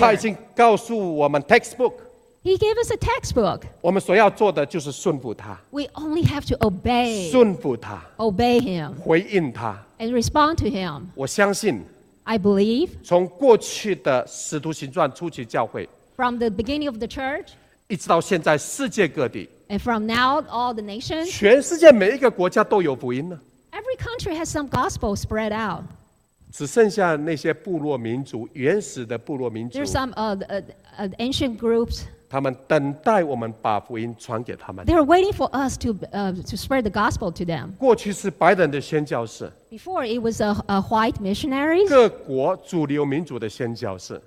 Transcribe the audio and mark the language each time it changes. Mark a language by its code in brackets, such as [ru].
[zh] 他已经告诉我们 textbook, [en] He gave us a textbook. [zh] 我们所要做的就是顺服他。 [en] We only have to obey. [zh] 顺服他。 [en] Obey him. [zh] 回应他。 [en] And respond to him. [zh] 我相信。 [en] I believe. [zh] 从过去的使徒行传初期教会。 [en] From the beginning of the church. [zh] 一直到现在世界各地。 [en] And from now all the nations. [zh] 全世界每一个国家都有福音呢。 [en] Every country has some gospel spread out. [zh] 只剩下那些部落民族原始的部落民族 [en] There's some ancient groups [zh] 他们等待我们把福音传给他们 [en] They're waiting for us to spread the gospel to them [zh] 过去是白人的宣教士 [en] Before it was a white missionaries [zh] 各国主流民族的宣教士